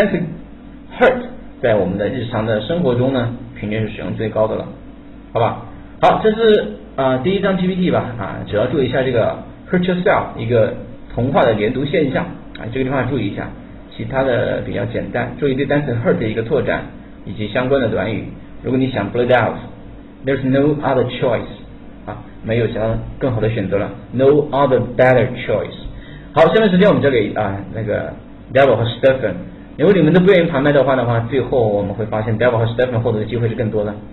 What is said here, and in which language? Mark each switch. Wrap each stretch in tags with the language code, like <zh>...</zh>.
<zh>单词 hurt 在我们的日常的生活中呢平均是使用最高的了，好吧。好，这是第一张 PPT 吧啊，只要注意一下这个</zh> <en>hurt yourself</en> <zh>一个同化的连读现象啊，这个地方注意一下，其他的比较简单，注意对单词 hurt 的一个拓展以及相关的短语。如果你想</zh> <en>blurt out， there's no other choice 啊，</en> <zh>没有其他更好的选择了，</zh> <en>no other better choice。</en> <zh>好，下面时间我们交给那个 Devil 和 Stephen， 如果你们都不愿意旁麦的话，最后我们会发现 Devil 和 Stephen 获得的机会是更多的。</zh>